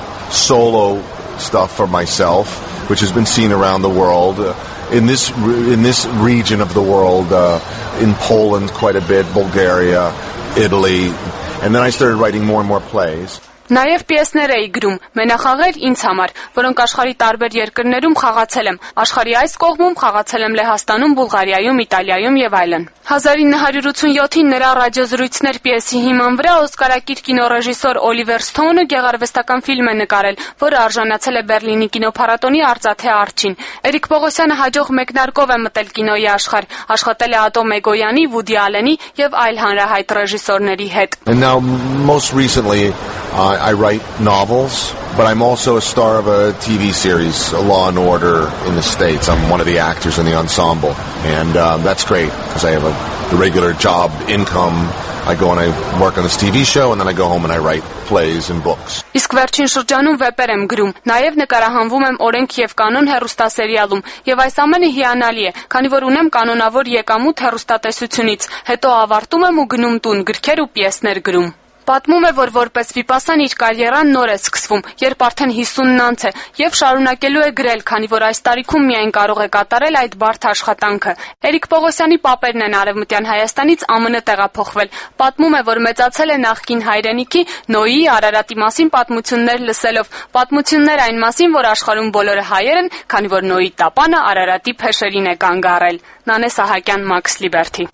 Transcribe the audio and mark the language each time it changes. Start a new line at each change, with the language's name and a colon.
English: Solo stuff for myself, which has been seen around the world, in this region of the world, in Poland quite a bit, Bulgaria, Italy, and then I started writing more and more plays.
Armenian: Նաև պիեսներ էի գրում, մենախաղեր ինձ համար, որոնք աշխարհի տարբեր երկրներում խաղացել եմ։ Աշխարհի այս կողմում խաղացել եմ Լեհաստանում, Բուլղարիայում, Իտալիայում եւ այլն։ 1987-ին նրա ռադիոզրույցներ պիեսի հիման վրա Օսկարակիր կինոռեժիսոր Օլիվեր Սթոունը գեղարվեստական ֆիլմ է նկարել, որը արժանացել է Բեռլինի կինոփառատոնի արծաթե արջին։ Էրիկ Պողոսյանը հաջող մեկնարկով է մտել կինոյի աշխարհ, աշխատել է Ատո Մեգոյանի, Վուդի Ալենի եւ այլ հանրահայտ ռեժիսորների հետ։
English: I write novels, but I'm also a star of a TV series, Law and Order, in the States. I'm one of the actors in the ensemble, and that's great because I have a regular job income. I go and I work on this TV show, and then I go home and I write plays and books.
Armenian: Իսկ վերջին շրջանում վեպեր եմ գրում, նաև նկարահանվում եմ Օրենք և Կանոն հեռուստասերիալում, և այս ամենը հիանալի է, քանի որ ունեմ կանոնավոր եկամուտ հեռուստատեսությունից, հետո ավարտում եմ ու գնում տուն գրքեր ու պիեսներ գրում։ Պատմում է, որ որպես վիպասան իր կարիերան նոր է սկսվում, երբ արդեն 50-ն անց է, եւ շարունակելու է գրել, քանի որ այս տարիքում միայն կարող է կատարել այդ բարդ աշխատանքը։ Էրիկ Պողոսյանի պապերն են Արևմտյան Հայաստանից ԱՄՆ տեղափոխվել։ Պատմում է, որ մեծացել է նախկին հայրենիքի Նոյի Արարատի մասին պատմություններ լսելով, պատմություններ այն մասին, որ աշխարհում բոլորը հայեր են, քանի որ Նոյի տապանը Արարատի փեշերին է կանգ առել։ Նանե Սահակյան, Մաքս Լիբերթի։